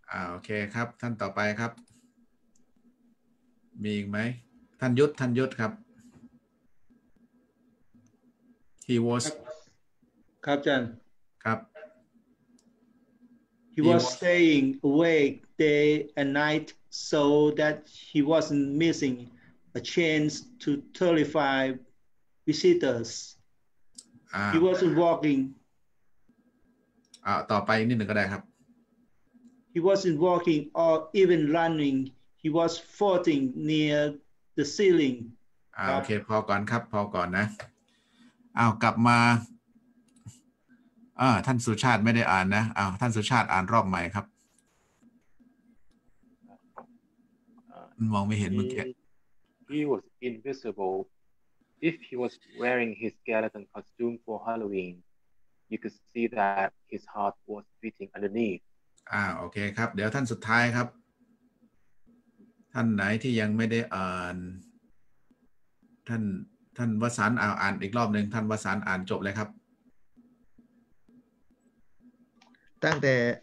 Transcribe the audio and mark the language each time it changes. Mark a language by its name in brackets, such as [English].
[Thai] โอเคครับท่านต่อไปครับมีอีกไหมท่านยุทธครับ [English] He was [Thai] ครับอาจารย์ครับ [English] He was staying awake day and night so that he wasn't missing a chance to terrify visitors. He wasn't walking. [Thai] ต่อไปนิดหนึ่งก็ได้ครับ [English] He wasn't walking or even running. He was floating near the ceiling. [Thai] โอเคพอก่อนครับพอก่อนนะกลับมาท่านสุชาติไม่ได้อ่านนะท่านสุชาติอ่านรอบใหม่ครับมองไม่เห็นเมื่อกี้ [English] He was invisible. If he was wearing his skeleton costume for Halloween, you could see that his heart was beating underneath. [Thai] โอเคครับเดี๋ยวท่านสุดท้ายครับท่านไหนที่ยังไม่ได้อ่านท่านวสันต์อ่านอีกรอบหนึ่งท่านวสันต์อ่านจบเลยครับ ตั้งแต่